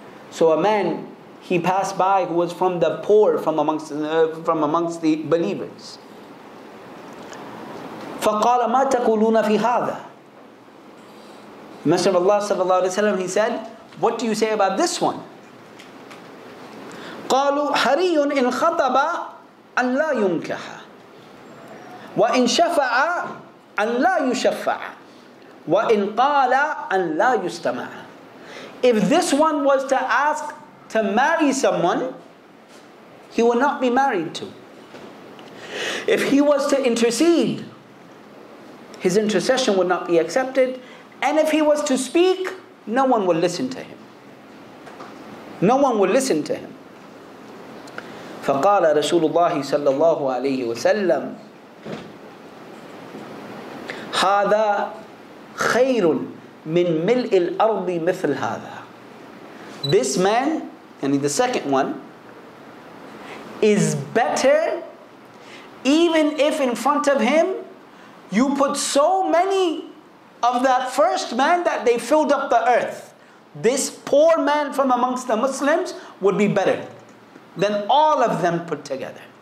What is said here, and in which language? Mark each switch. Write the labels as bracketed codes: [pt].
[en] So a man, he passed by who was from the poor, from amongst the believers. [ar] فَقَالَ مَا تَقُولُونَ فِي هَذَا. [en] The Messenger of Allah sallallahu alayhi wa sallam, he said, what do you say about this one? [ar] قَالُوا حَرِيٌّ إِنْ خَطَبَ أَنْ لَا يُنْكَحَ وَإِنْ شَفَعَ أن لا يشفع وإن قال أن لا يستمع. [en] If this one was to ask to marry someone, he will not be married to. If he was to intercede, his intercession would not be accepted. And if he was to speak, no one will listen to him. No one will listen to him. [ar] فقال رسول الله صلى الله عليه وسلم هذا خير من ملء الأرض مثل هذا. [en] This man, yani the second one, is better even if in front of him you put so many of that first man that they filled up the earth. This poor man from amongst the Muslims would be better than all of them put together.